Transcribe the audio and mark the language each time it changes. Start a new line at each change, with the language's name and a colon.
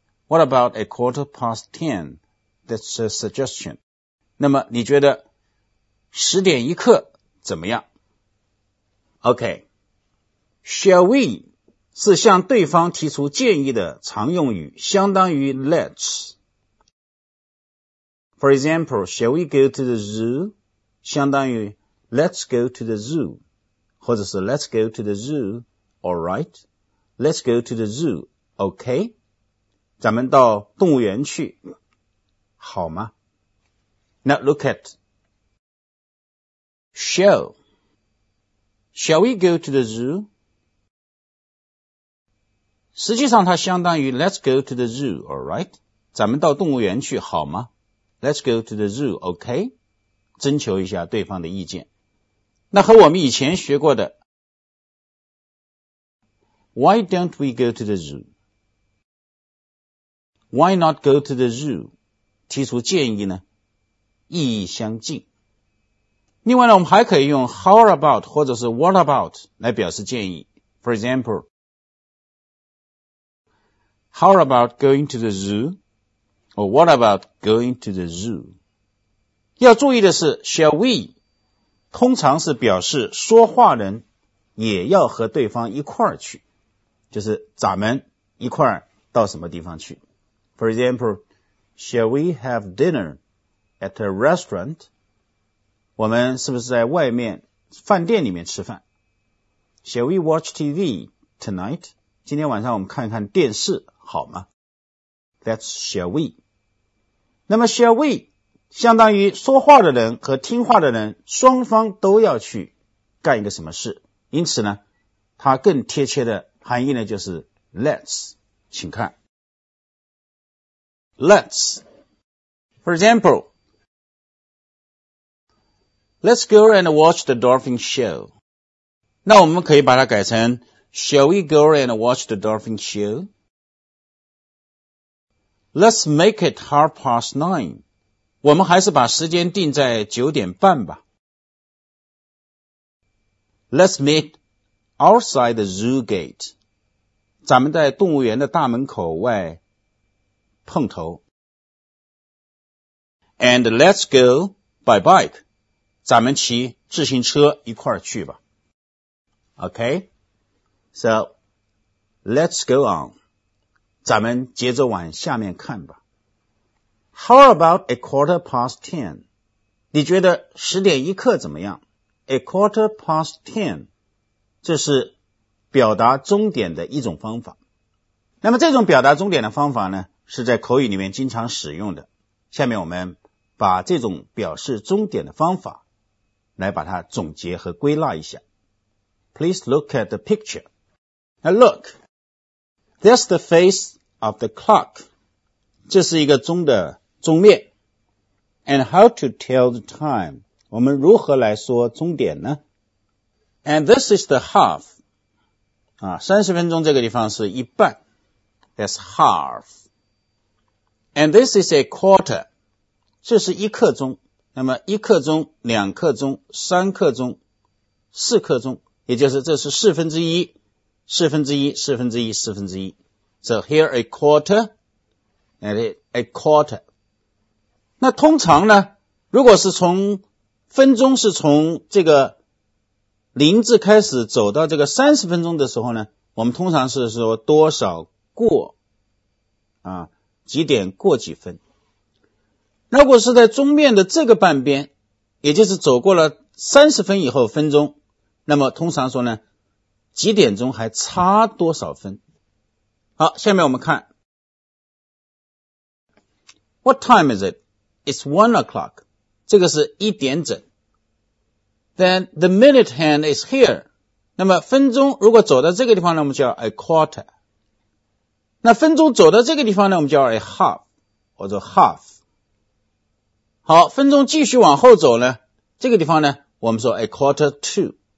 English: What about a quarter past ten? That's a suggestion.
Chinese: 那么你觉得十点一刻怎么样？
English: Okay, shall we
Chinese: 是向对方提出建议的常用语，相当于 let's.
English: For example, shall we go to the zoo?
Chinese: 相当于
English: let's go to the zoo,
Chinese: 或者是
English: let's go to the zoo, alright. Let's go to the zoo, okay.
Chinese: 咱们到动物园去好吗？
English: Now look at shall. Shall we go to the zoo?
Chinese: 实际上它相当于
English: let's go to the zoo, alright.
Chinese: 咱们到动物园去好吗？
English: Let's go to the zoo, okay?
Chinese: 征求一下对方的意见。那和我们以前学过的
English: Why don't we go to the zoo? Why not go to the zoo?
Chinese: 提出建议呢，意义相近。另外呢，我们还可以用 How about 或者是 What about 来表示建议。
English: For example, How about going to the zoo? Or what about going to the zoo?
Chinese: 要注意的是 Shall we 通常是表示说话人也要和对方一块儿去，就是咱们一块儿到什么地方去。
English: For example, Shall we have dinner at a restaurant?
Chinese: 我们是不是在外面饭店里面吃饭？
English: Shall we watch TV tonight?
Chinese: 今天晚上我们看一看电视好吗？
English: That's shall we.
Chinese: 那么 shall we 相当于说话的人和听话的人双方都要去干一个什么事，因此呢它更贴切的含义呢就是 let's， 请看
English: let's。 For example, let's go and watch the dolphin show.
Chinese: 那我们可以把它改成
English: shall we go and watch the dolphin show? Let's make it 9:30.
Chinese: 我们还是把时间定在九点半吧。
English: Let's meet outside the zoo gate.
Chinese: 咱们在动物园的大门口外碰头。
English: And let's go by bike.
Chinese: 咱们骑自行车一块儿去吧。
English: Okay? So, let's go on.
Chinese: 咱们接着往下面看吧。
English: How about 9:15?
Chinese: 你觉得十点一刻怎么样？
English: 9:15,
Chinese: 这是表达终点的一种方法。那么这种表达终点的方法呢，是在口语里面经常使用的。下面我们把这种表示终点的方法来把它总结和归纳一下。
English: Please look at the picture. Now look. That's the face of the clock.
Chinese: 这是一个钟的钟面。
English: And how to tell the time?
Chinese: 我们如何来说钟点呢？
English: And this is the half.
Chinese: 30分钟这个地方是一半。
English: That's half. And this is a quarter.
Chinese: 这是一刻钟。那么一刻钟、两刻钟、三刻钟、四刻钟，也就是这是四分之一。四分之一，四分之一，四分之一。 So here a quarter and a quarter. 那通常呢，如果是从分钟是从这个零字开始走到这个30分钟的时候呢，我们通常是说多少过几点过几分。如果是在钟面的这个半边，也就是走过了30分以后分钟，那么通常说呢几点钟还差多少分。好，下面我们看
English: What time is it? It's 1 o'clock.
Chinese: 这个是一点整。
English: Then the minute hand is here.
Chinese: 那么分钟如果走到这个地方呢，我们叫 a quarter. 那分钟走到这个地方呢，我们叫 a half, 或者 half. 好，分钟继续往后走呢，这个地方呢，我们说 a quarter to.